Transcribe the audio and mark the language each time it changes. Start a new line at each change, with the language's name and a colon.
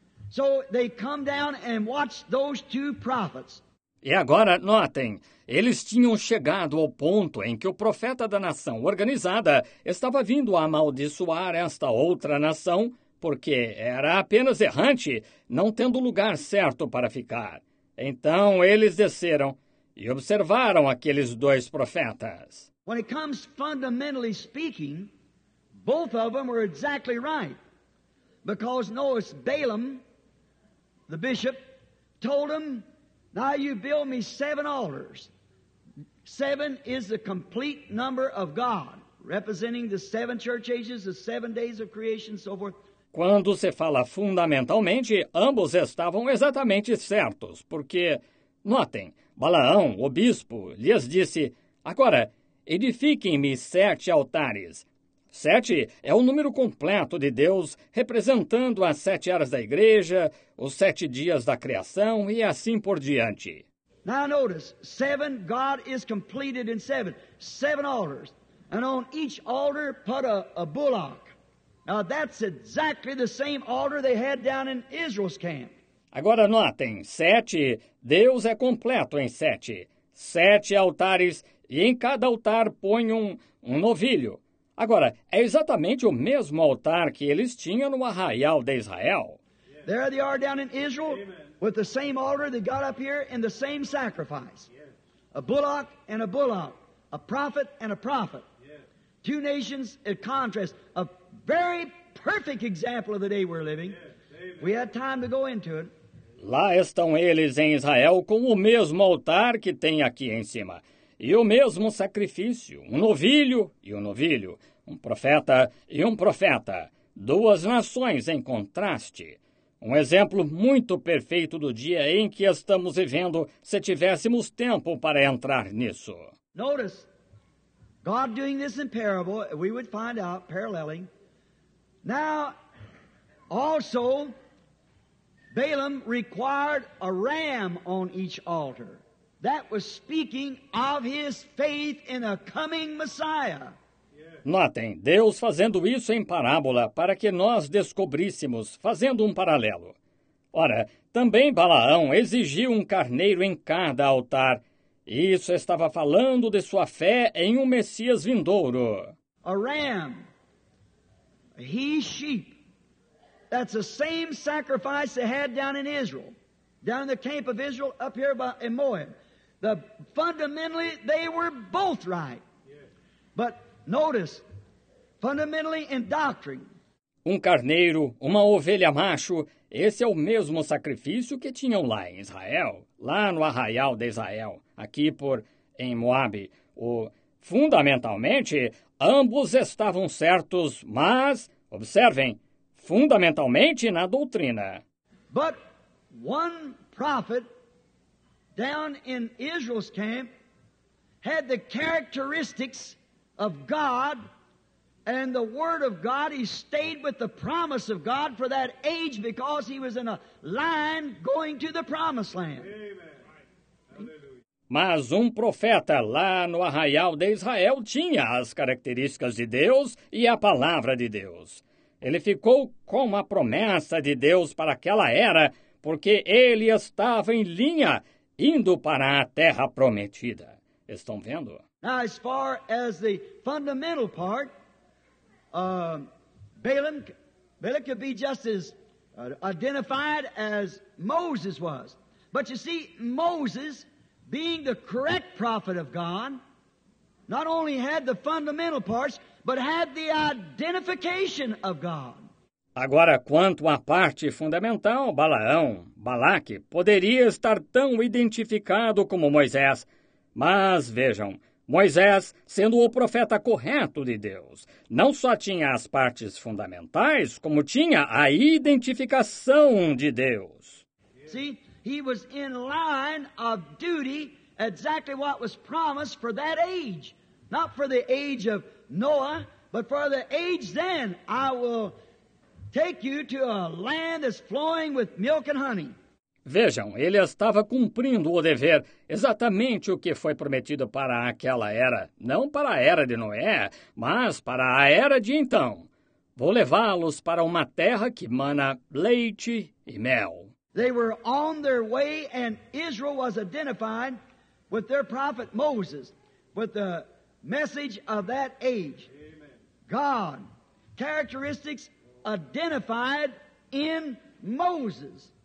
English: So they come down and watch those two prophets.
Portuguese: E agora, notem, eles tinham chegado ao ponto em que o profeta da nação organizada estava vindo a amaldiçoar esta outra nação, porque era apenas errante, não tendo lugar certo para ficar. Então eles desceram e observaram aqueles dois profetas.
English: When it comes fundamentally speaking, both of them were exactly right. Because Balaam, the bishop, told him Now you build me seven altars. Seven is the complete number of God, representing the seven church ages, the 7 days of creation, so forth.
Portuguese: Quando se fala fundamentalmente, ambos estavam exatamente certos, porque, notem, Balaão, o bispo, lhes disse, agora, edifiquem-me sete altares. Sete é o número completo de Deus, representando as sete eras da igreja, os sete dias da criação e assim por diante.
English: Now notice, seven, God is completed in seven. Seven altars, and on each altar put a bullock. Now, that's exactly the same altar they had down in Israel's camp.
Portuguese: Agora notem, sete, Deus é completo em sete. Sete altares, e em cada altar põe um novilho. Agora, é exatamente o mesmo altar que eles tinham no arraial de Israel.
English: There they are down in Israel, Amen. With the same altar they got up here and the same sacrifice. Yes. A bullock and a bullock, a prophet and a prophet. Yes. Two nations in contrast, a very perfect example of the day we're living. We had time to go into it.
Portuguese: Lá estão eles em Israel com o mesmo altar que tem aqui em cima. E o mesmo sacrifício, um novilho e um novilho. Um profeta e um profeta. Duas nações em contraste. Um exemplo muito perfeito do dia em que estamos vivendo, se tivéssemos tempo para entrar nisso.
English: Notice, God doing this in parable, we would find out, paralleling. Now, also, Balaam required a ram on each altar. That was speaking of his faith in a coming Messiah.
Portuguese: Notem, Deus fazendo isso em parábola para que nós descobríssemos, fazendo um paralelo. Ora, também Balaão exigiu um carneiro em cada altar. Isso estava falando de sua fé em um Messias vindouro.
English: A ram. He sheep. That's the same sacrifice they had down in Israel, down in the camp of Israel, up here by Moab. Fundamentally, they were both right. Yes. But notice, fundamentally in doctrine.
Portuguese: Um carneiro, uma ovelha macho, esse é o mesmo sacrifício que tinham lá em Israel, lá no arraial de Israel, aqui por em Moab. Fundamentalmente, ambos estavam certos, mas. Observem, fundamentalmente na doutrina.
English: But one prophet down in Israel's camp had the characteristics of God and the word of God. He stayed with the promise of God for that age because he was in a line going to the promised land.
Portuguese: Mas um profeta lá no arraial de Israel tinha as características de Deus e a palavra de Deus. Ele ficou com a promessa de Deus para aquela era, porque ele estava em linha, indo para a terra prometida. Estão vendo?
English: Now, as far as the fundamental part, Balaam could be just as identified as Moses was. But you see, Moses, being the correct prophet of God, not only had the fundamental parts, but had the identification of God.
Portuguese: Agora, quanto à parte fundamental, Balaão, Balaque, poderia estar tão identificado como Moisés. Mas, vejam, Moisés, sendo o profeta correto de Deus, não só tinha as partes fundamentais, como tinha a identificação de Deus.
English: See, he was in line of duty, exactly what was promised for that age. Not for the age of Noah, but for the age then, I will take you to a land that's flowing with milk and honey.
Portuguese: Vejam, ele estava cumprindo o dever, exatamente o que foi prometido para aquela era. Não para a era de Noé, mas para a era de então. Vou levá-los para uma terra que mana leite e mel.
English: They were on their way, and Israel was identified with their prophet Moses, with the message of that age. God. Characteristics identified in Moses.